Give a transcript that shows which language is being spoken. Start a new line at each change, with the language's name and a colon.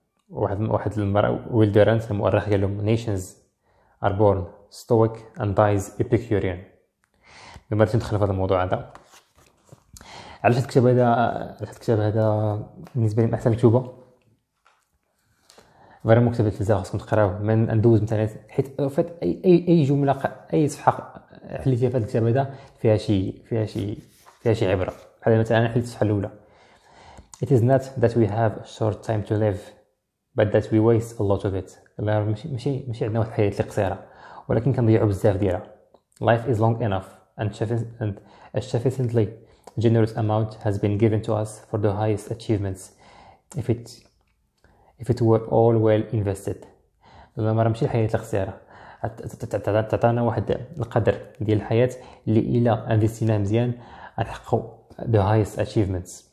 Arabic: واحد المرأة ويلدرانت المؤرخ قال لهم
English: nations are born stoic and dies Epicurean.
Arabic: بما غادي ندخل في هذا الموضوع هذا، علاش الكتاب هذا، بالنسبه لي من احسن الكتب. غير مكتبة الفلسفة خاصكم تقراو، من ندوز مثلا، حيت فات اي جمله، اي صفحه حليتيها في هذا الكتاب هذا فيها شي عبره. بحال مثلا انا حليت الصفحه الاولى،
English: it is not that we have short time to live but that we waste a lot of it.
Arabic: ماشي عندنا واحد الحياه اللي قصيره، ولكن كنضيعوا بزاف ديالها.
English: life is long enough and sufficiently a generous amount has been given to us for the highest achievements if it were all well invested.
Arabic: لما رمشي الحياة لخسارة، تعطانا واحد القدر ديال الحياة اللي إلا انفستيناه مزيان نحققو
English: the highest achievements.